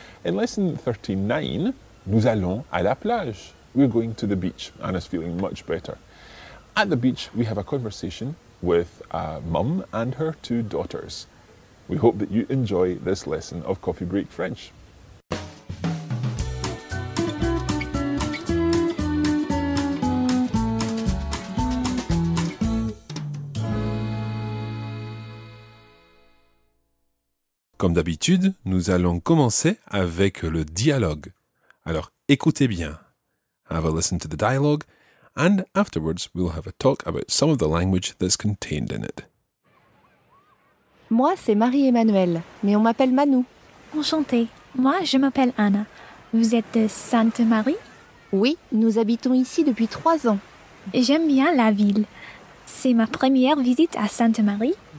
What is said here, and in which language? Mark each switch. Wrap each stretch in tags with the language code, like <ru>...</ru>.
<en>In lesson 39,</en> <fr>nous allons à la plage.</fr> <en>We're going to the beach. Anna's feeling much better. At the beach, we have a conversation with a mum and her two daughters. We hope that you enjoy this lesson of Coffee Break French.</en> <fr>Comme d'habitude, nous allons commencer avec le dialogue. Alors, écoutez bien.</fr> <en>Have a listen to the dialogue, and afterwards we'll have a talk about some of the language that's contained in it.</en> <fr>Moi, c'est Marie-Emmanuelle, mais on m'appelle Manou. Enchantée. Moi, je m'appelle Anna. Vous êtes de Sainte-Marie? Oui, nous habitons ici depuis 3 ans. J'aime bien la ville. C'est ma première visite à Sainte-Marie.</fr>